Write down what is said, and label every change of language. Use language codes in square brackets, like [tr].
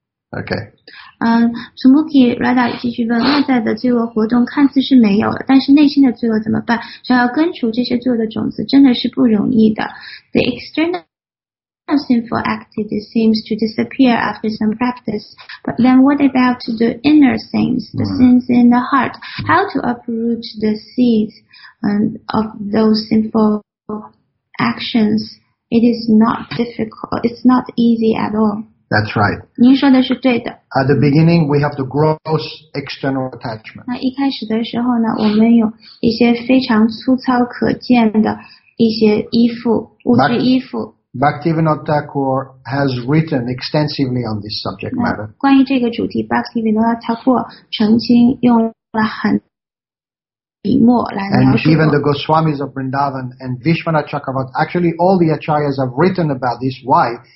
[en] Okay. [zh] Sumuki Radha 继续问，外在的罪恶活动看似是没有了，但是内心的罪恶怎么办？想要根除这些罪恶的种子真的是不容易的。 [en] The external sinful activity seems to disappear after some practice, but then what about the inner sins, the sins in the heart? How to uproot the seeds of those sinful actions? It is not difficult, it's not easy at all. That's right. [zh] 您说的是对的。 [en] At the beginning, we have the gross external attachment. [zh] 那一开始的时候呢，我们有一些非常粗糙可见的一些依附，物质依附。 [en] Bhaktivinoda Thakur has written extensively on this subject matter. [zh] 关于这个主题 ，Bhaktivinoda Thakur 曾经用了很笔墨来描述。 [en] And even the Goswamis of Vrindavan and Vishwanath Chakravarti, actually, all the acharyas have written about this. Why?